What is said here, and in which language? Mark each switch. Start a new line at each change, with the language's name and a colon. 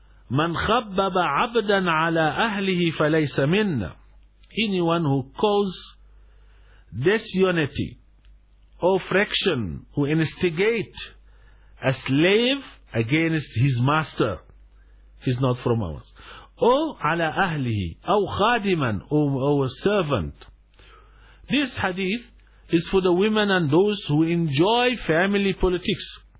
Arabic: مَنْ خَبَّبَ عَبْدًا عَلَىٰ أَهْلِهِ فَلَيْسَ مِنَّا,
English: anyone who cause disunity or fraction, who instigate a slave against his master, he's not from ours.
Arabic: أو عَلَىٰ أَهْلِهِ أَوْ خَادِمًا أَوْ
English: servant. This hadith is for the women and those who enjoy family politics.